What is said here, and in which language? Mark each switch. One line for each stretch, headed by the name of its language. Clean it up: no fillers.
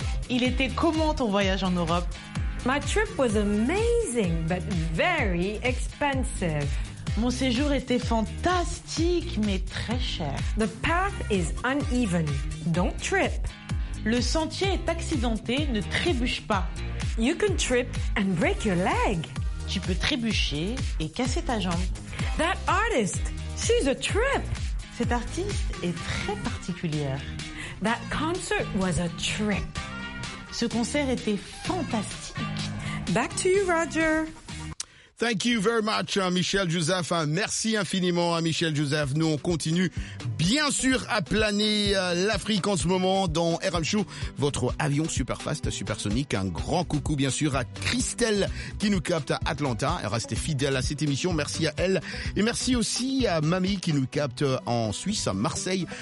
French: Il était comment ton voyage en Europe?
English: My trip was amazing, but very expensive.
French: Mon séjour était fantastique, mais très cher.
English: The path is uneven. Don't trip.
French: Le sentier est accidenté, ne trébuche pas.
English: You can trip and break your leg.
French: Tu peux trébucher et casser ta jambe.
English: That artist, she's a trip.
French: Cette artiste est très particulière.
English: That concert was a trip.
French: Ce concert était fantastique.
English: Back to you, Roger. Thank you very much, Michel Joseph.
French: Merci infiniment à Michel Joseph. Nous, on continue, bien sûr, à planer l'Afrique en ce moment dans RM Show, votre avion super fast, supersonique. Un grand coucou, bien sûr, à Christelle qui nous capte à Atlanta. Elle reste fidèle à cette émission. Merci à elle. Et merci aussi à Mamie qui nous capte en Suisse, à Marseille.